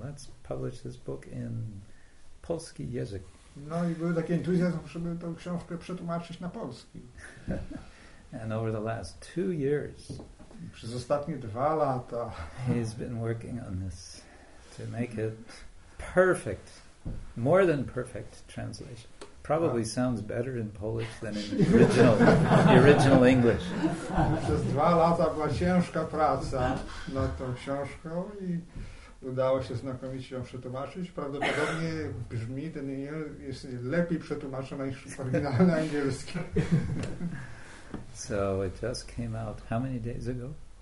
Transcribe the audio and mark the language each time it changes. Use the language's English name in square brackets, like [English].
[English] Let's publish this book in [Polish] polski język. No i był taki entuzjazm, żeby tę książkę przetłumaczyć na polski. [English] And over the last 2 years, [Polish] przez ostatnie dwa lata, [English] he's been working on this to make it perfect, more than perfect translation. Probably sounds better in Polish than in original, the original English. [Polish] Przez dwa lata była ciężka praca nad tą książką i udało się znakomicie ją przetłumaczyć. Prawdopodobnie brzmi ten jest lepiej przetłumaczony niż oryginalny angielski. [English] So it just came out how many days ago?